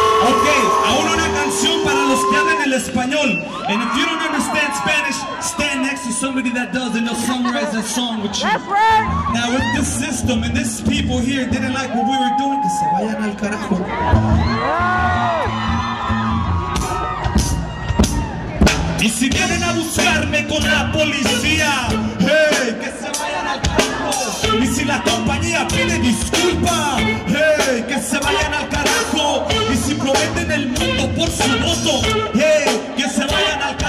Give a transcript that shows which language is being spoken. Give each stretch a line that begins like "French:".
Spanish: Okay, ahora una canción para los que hablan el español.
English: And if you don't understand Spanish, stand next to somebody that does and they'll summarize that song with you. That's right. Now if this system and this people here didn't like what we were doing, they said,
Spanish: vayan al carajo. Y si vienen a buscarme con la policía, hey, que se vayan al carajo. Y si la compañía pide disculpa, hey, que se vayan al carajo. Y si prometen el mundo por su voto, hey, que se vayan.